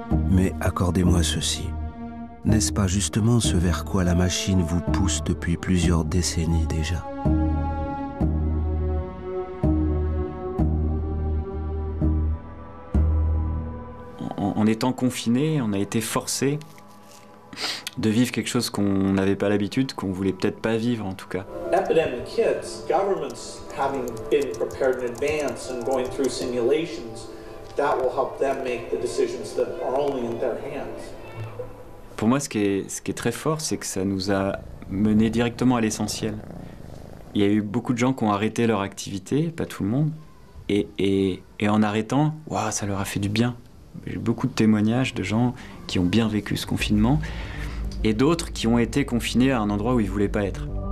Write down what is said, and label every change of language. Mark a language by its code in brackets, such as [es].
[fr] Mais accordez-moi ceci. N'est-ce pas justement ce vers quoi la machine vous pousse depuis plusieurs décennies déjà ? En étant confiné, on a été forcé de vivre quelque chose qu'on n'avait pas l'habitude, qu'on voulait peut-être pas vivre en tout cas. [en] Epidemic hits, governments having been prepared in advance and going through simulations, that will help them make the decisions that are only in their hands. [fr] Pour moi, ce qui est très fort, c'est que ça nous a mené directement à l'essentiel. Il y a eu beaucoup de gens qui ont arrêté leur activité, pas tout le monde, et en arrêtant, waouh, ça leur a fait du bien. J'ai beaucoup de témoignages de gens qui ont bien vécu ce confinement et d'autres qui ont été confinés à un endroit où ils ne voulaient pas être.